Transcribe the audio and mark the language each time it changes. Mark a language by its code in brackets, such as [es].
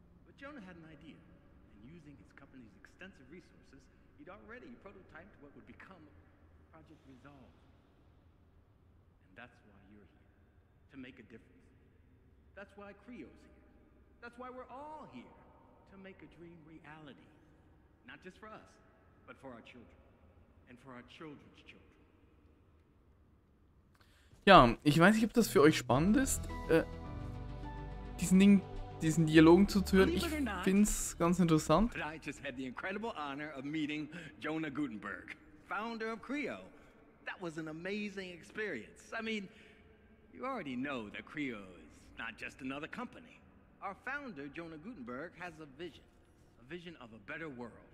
[en] But Jonah had an idea, and using his company's extensive resources, he'd already prototyped what would become Project Resolve. And that's why you're here, to make a difference. That's why Creo's here. That's why we're all here, to make a dream reality. Not just for us, but for our children. And for our children's children. [de] Ja, ich weiß nicht, ob das für euch spannend ist, diesen Dialogen zuzuhören. Ich find's ganz interessant. [en] But I just had the incredible honor of meeting Jonah Gutenberg, founder of Creo. That was an amazing experience. I mean, you already know that Creo is not just another company. Our founder, Jonah Gutenberg, has a vision of a better world.